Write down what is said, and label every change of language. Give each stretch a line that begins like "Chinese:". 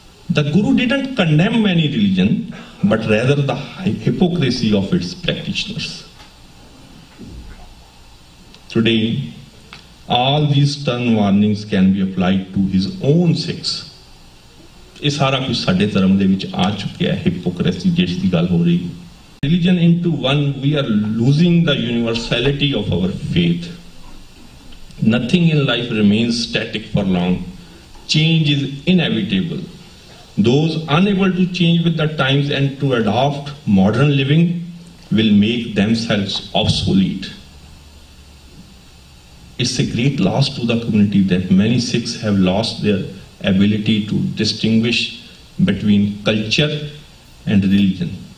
English: The Guru didn't condemn any religion, but rather the hypocrisy of its practitioners. Today, all these stern warnings can be applied to his own Sikhs.
Punjabi: ਇਹ ਸਾਰਾ ਕੁਝ ਸਾਡੇ ਧਰਮ ਦੇ ਵਿੱਚ ਆ ਚੁੱਕਿਆ ਹਿਪੋਕ੍ਰੇਸੀ ਜਿਸ ਦੀ ਗੱਲ ਹੋ ਰਹੀ
English: Religion in two one we are losing the universality of our faith Nothing in life remains static for long. Change is inevitable. Those unable to change with the times and to adopt modern living will make themselves obsolete. It's a great loss to the community that many Sikhs have lost their ability to distinguish between culture and religion.